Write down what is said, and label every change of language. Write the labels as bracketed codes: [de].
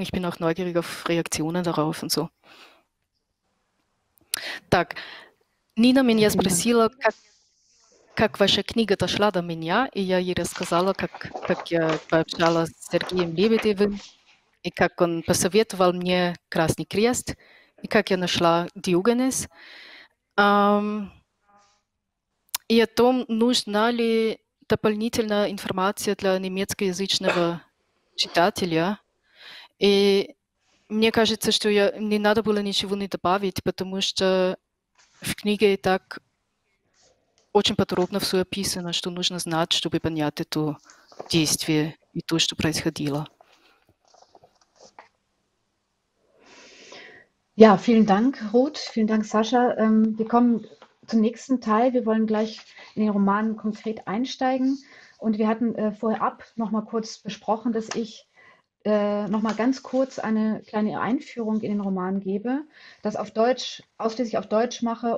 [de] Ich bin auch neugierig auf Reaktionen darauf und so. [uk] Так, Ніна мені спросила, як ваша книга дійшла до мене, і я їй розказала, як я пообщалася з Сергієм Лебедєвим, і як він посоветував мені «Красний крест», і як я знайшла «Діогенес». І о том, потрібна ли доповнительна інформація для німецькоязичного читателя. [ru] І мне кажется, что я не надо было ничего не добавить, потому что в книге и так очень подробно все описано, что нужно знать, чтобы понять это действие и то, что происходило. [de] Ja, vielen Dank, Ruth. Vielen Dank, Sascha. Wir kommen zum nächsten Teil. Wir wollen gleich in den Roman konkret einsteigen. Und wir hatten vorab noch mal kurz besprochen, dass ich noch mal ganz kurz eine kleine Einführung in den Roman gebe, das auf Deutsch, ausschließlich auf Deutsch mache.